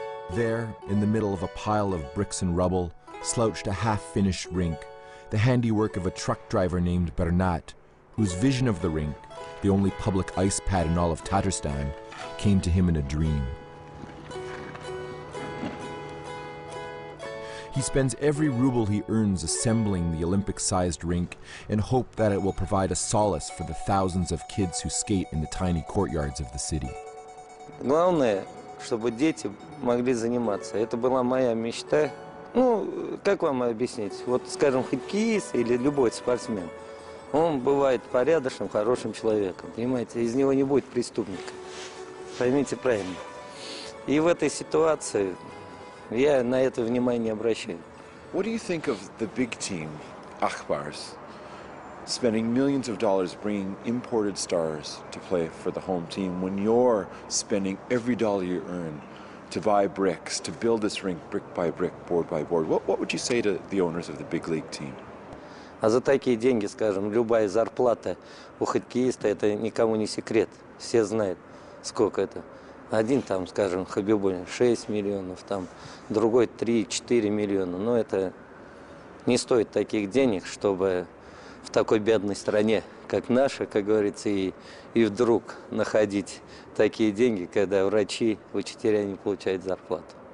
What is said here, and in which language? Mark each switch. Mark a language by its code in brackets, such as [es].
[en] There, in the middle of a pile of bricks and rubble, slouched a half-finished rink, the handiwork of a truck driver named Bernat, whose vision of the rink, the only public ice pad in all of Tatarstan, came to him in a dream. He spends every ruble he earns assembling the Olympic-sized rink in hope that it will provide a solace for the thousands of kids who skate in the tiny courtyards of the city. [ru] Главное, чтобы дети могли заниматься. Это была моя мечта. Ну, как вам объяснить? Вот, скажем, хоккеист или любой спортсмен. Он бывает порядочным, хорошим человеком, понимаете? Из него не будет преступника, поймите правильно. И в этой ситуации я на это внимание обращаю. [en] What do you think of the big team, Akhbaris, spending millions of dollars bringing imported stars to play for the home team when you're spending every dollar you earn to buy bricks, to build this rink brick by brick, board by board? What would you say to the owners of the big league team? [ru] А за такие деньги, скажем, любая зарплата у хоккеиста, это никому не секрет. Все знают, сколько это. Один там, скажем, Хабибулин 6 миллионов, там другой 3-4 миллиона. Но это не стоит таких денег, чтобы в такой бедной стране, как наша, как говорится, и вдруг находить такие деньги, когда врачи, учителя не получают зарплату.